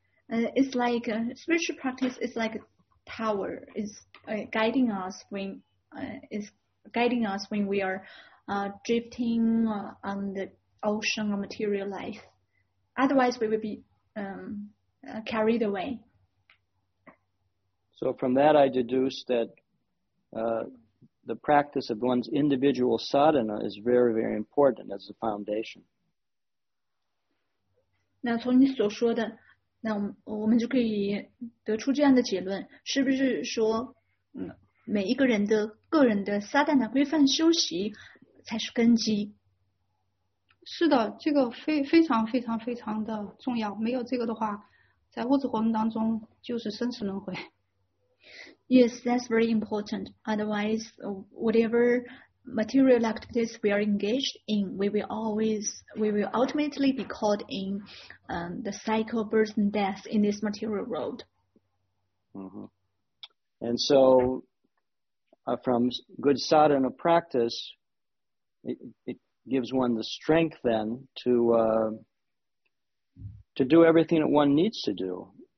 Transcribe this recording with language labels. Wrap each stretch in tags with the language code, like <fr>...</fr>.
<en>It's like spiritual practice is like a tower, is guiding us when we are drifting on the ocean of material life. Otherwise, we will be carried away. So from that, I deduce that the practice of one's individual sadhana is very, very important as a foundation.</en> <zh>那从你所说的，那我们就可以得出这样的结论，是不是说，每一个人的个人的 sadhana 规范修习才是根基？是的，这个非常的重要，没有这个的话，在物质活动当中就是生死轮回。</zh> <en>Yes, that's very important. Otherwise, whatever material activities we are engaged in, we will ultimately be caught in the cycle of birth and death in this material world. Mm-hmm. And so, from good sadhana practice, it gives one the strength then to do everything that one needs to do.</en>